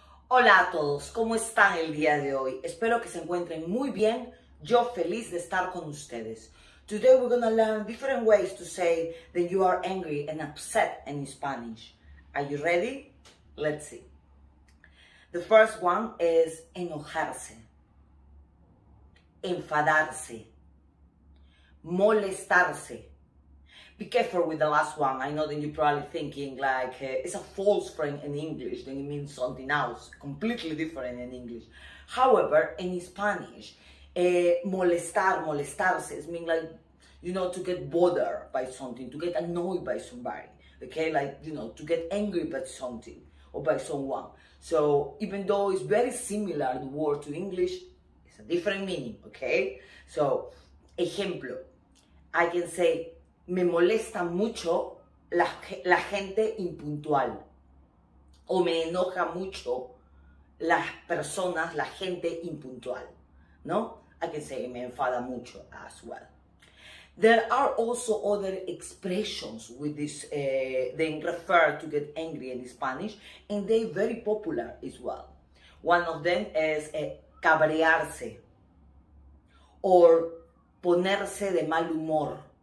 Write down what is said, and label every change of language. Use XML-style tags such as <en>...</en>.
<es>Hola a todos, ¿cómo están el día de hoy? Espero que se encuentren muy bien. Yo feliz de estar con ustedes.</es> <en>Today we're going to learn different ways to say that you are angry and upset in Spanish. Are you ready? Let's see. The first one is enojarse.</en> <es>Enfadarse. Molestarse.</es> <en>Be careful with the last one. I know that you're probably thinking like it's a false phrase in English, then it means something else, completely different in English. However, in Spanish, molestarse is mean like, you know, to get bothered by something, to get annoyed by somebody, okay? Like, you know, to get angry by something or by someone. So even though it's very similar, the word to English, it's a different meaning, okay?</en> <es>So, ejemplo,</es> <en>I can say,</en> <es>me molesta mucho la gente impuntual. O me enoja mucho las personas, la gente impuntual.</es> <en>No? I can say</en> <es>me enfada mucho</es> <en>as well. There are also other expressions with this, they refer to get angry in Spanish, and they're very popular as well. One of them is cabrearse or</en> <es>ponerse de mal humor.</es>